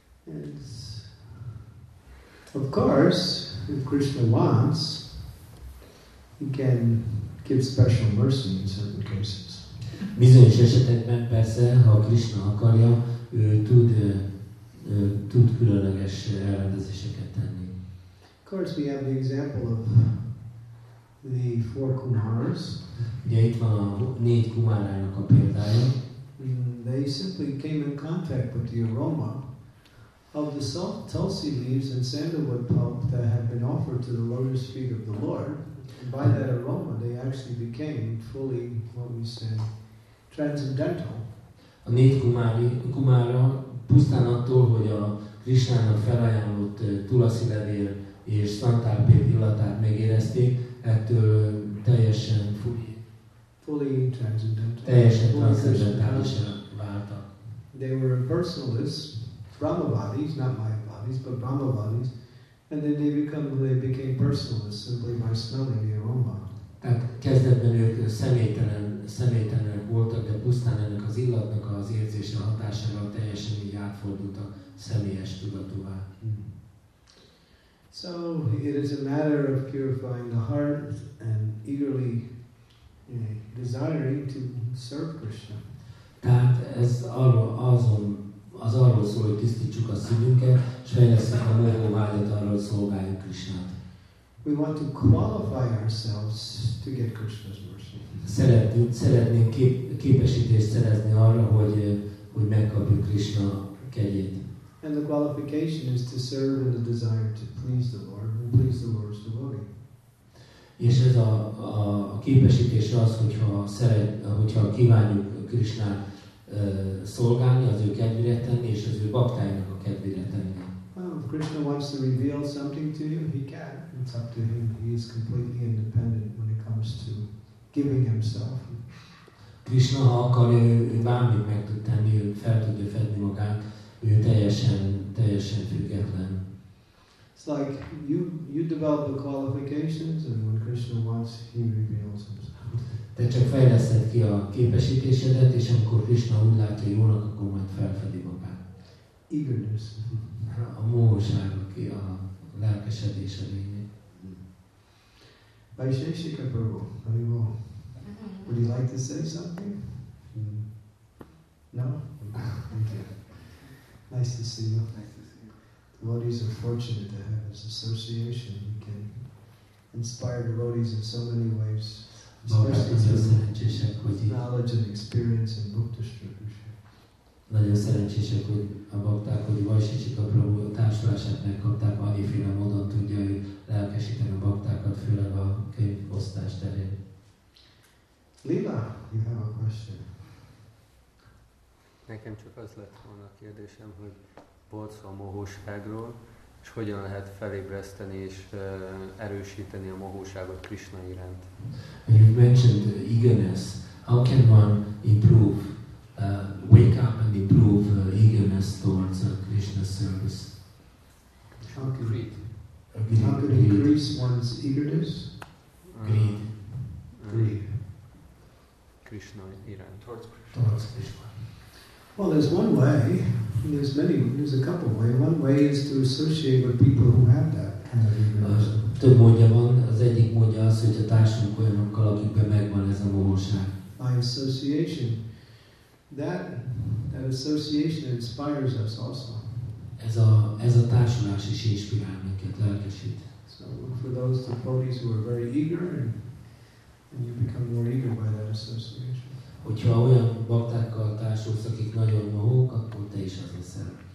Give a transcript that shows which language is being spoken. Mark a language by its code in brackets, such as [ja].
[en] It's, of course, if Krishna wants, he can give special mercy in certain cases. [hu] Bizonyos esetekben persze, ha Krisna akarja, ő tud, tud különleges elrendezéseket tenni. [en] Of course, we have the example of the four Kumaras. [hu] Ugye itt van a négy kumárának a példája. [en] They simply came in contact with the aroma of the soft tulsi leaves and sandalwood pulp that had been offered to the lotus feet of the Lord. And by that aroma, they actually became fully, what we say, transcendental. [hu] A négy kumára pusztán attól, hogy a Krisnának felajánlott tulsi levél és szantálpét illatát megérezték, ettől teljesen transzendentális váltak. [en] They were impersonalists, Brahmavadis, not Mayavadis, but Brahmavadis, and then they became personalists simply by smelling the aroma. [hu] Tehát kezdetben ők személytelen voltak, de pusztán ennek az illatnak az érzése hatására teljesen így átfordultak személyes tudatúvá. [en] So it is a matter of purifying the heart and eagerly desiring to serve Krishna. [hu] Tehát ez arról szól, hogy tisztítsuk a szívünket, és fejlesztjük a mohó vágyat arra, hogy szolgáljuk Krishnát. [en] We want to qualify ourselves to get Krishna's mercy. [hu] Szeretnénk képesítést szerezni arra, hogy megkapjuk Krishna kegyét. [en] And the qualification is to serve in the desire to please the Lord and please the Lord's devotee. [hu] És ez a képesítés az, hogyha kívánjuk Krisnát szolgálni, az ő kedvére tenni, és az ő baktáinak a kedvére tenni. [en] Well, if Krishna wants to reveal something to you, he can. It's up to him. He is completely independent when it comes to giving himself. [hu] Krishna, ha akarja, ő bármit meg tud tenni, ő fel tudja fedni magát. Ő teljesen független. [en] It's like you develop the qualifications, and when Krishna wants, he reveals himself. [hu] Te csak fejleszted ki a képesítésedet, és amikor Krishna úgy látja jónak, akkor majd felfedi magát. [en] Eagerness. [hu] A mohóság, aki a lelkesedés a lényeg. [en] Vaisheshika Prabhu, very well. Would you like to say something? No? Thank you. Nice to see you. Devotees are fortunate to have this association. We can inspire devotees in so many ways, especially through knowledge and experience and book distribution. [hu] Nagyon szerencsések, hogy a bakták, hogy Vaisheshika Prabhu társulását megkapták, annyiféle módon tudja ő lelkesíteni a baktákat, főleg a könyvosztás terén. [en] Lila, you have a question. [hu] Nekem csak az lett volna a kérdésem, hogy volt szó a mohóságról, és hogyan lehet felébreszteni és erősíteni a mohóságot Krishna iránt. [en] You mentioned eagerness. How can one improve, wake up and improve eagerness towards Krishna's service? Greed. How can increase one's eagerness? Greed. [hu] Krishna iránt. [en] Towards Krishna. Well, there's one way, there's a couple of ways. One way is to associate with people who have that kind of eagerness. [hu] Több módja van, az egyik módja az, hogy a társunk olyanokkal, akikben megvan ez a mohóság. [en] By association. That association inspires us also. [hu] Ez a társulás is inspirál minket, lelkesít. [en] So look for those devotees who are very eager, and you become more eager by that association. [hu] Hogyha olyan baktákkal társulsz, akik nagyon mohók, akkor te is az leszel.